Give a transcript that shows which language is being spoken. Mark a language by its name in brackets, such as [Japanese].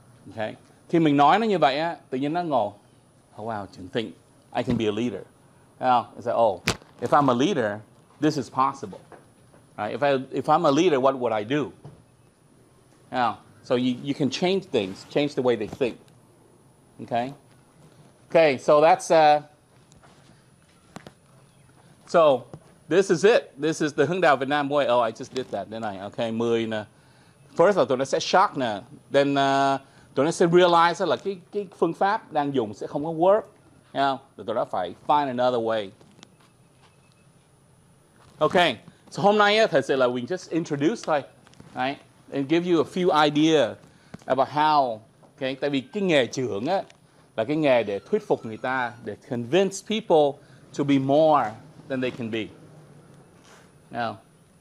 [Vietnamese] Okay, khi mình nói nó như vậy á, tự nhiên nó ngồi, [English] oh wow, [Vietnamese] chừng [English] think I can be a leader. Now it's like, oh, if I'm a leader, this is possible, right? If I'm a leader, what would I do? Now, so you can change things, change the way they think, okay? Okay, so that's, so this is it. This is the Hướng Đạo Việt Nam way. Oh, I just did that, didn't I? [Vietnamese] Okay, 10 nè. First, tụi nó sẽ shock nè. Then, tụi nó sẽ realize là cái phương pháp đang dùng sẽ không có work. [English] Now, [Vietnamese] tụi nó phải [English] find another way. Okay, so [Vietnamese] hôm nay thật sự là [English] we just introduced, like, right, and give you a few idea about how, okay, [Vietnamese] tại vì cái nghề trưởng là cái nghề để thuyết phục người ta, để [English] convince people to be more than they can be. Now, yeah.